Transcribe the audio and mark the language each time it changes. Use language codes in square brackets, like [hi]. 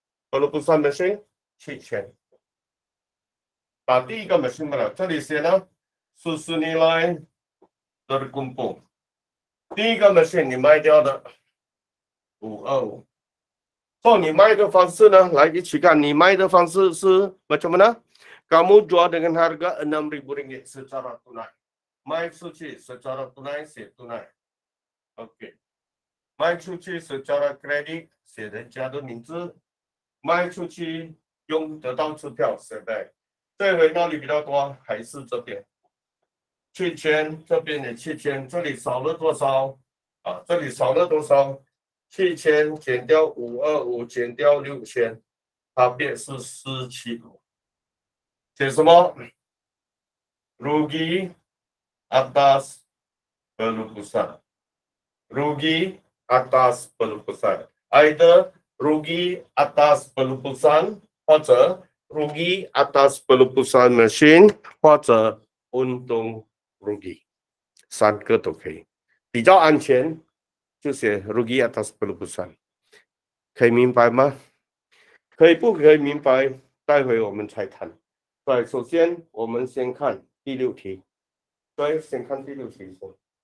[zh] 不如不算 machine 7000，把第一个 machine 了，这里写呢，数十年来都是公布，第一个 machine 你卖掉的。 525，你卖的方式呢？来一起看，你卖的方式是为什么呢？ [ms] Kamu jual dengan harga RM6000 secara tunai， [zh] 卖出去secara tunai写tunai， OK， 卖出去secara credit写人家的名字，卖出去用得到支票写bank。这回那里比较多，还是这边7000，这边也7000，这里少了多少啊？这里少了多少？7000减掉525减掉6000，它变是475。写什么 ？Rugi atas perusahaan。 Rugi atas perusahaan。 Either rugi atas perusahaan， 或者 rugi atas perusahaan machine， 或者 untung rugi， 三个都可以，比较安全。就写 rugi atas perusahaan， 可以明白吗？可以不可以明白？待会我们才谈。对，首先我们先看第六题。对，先看第六题先。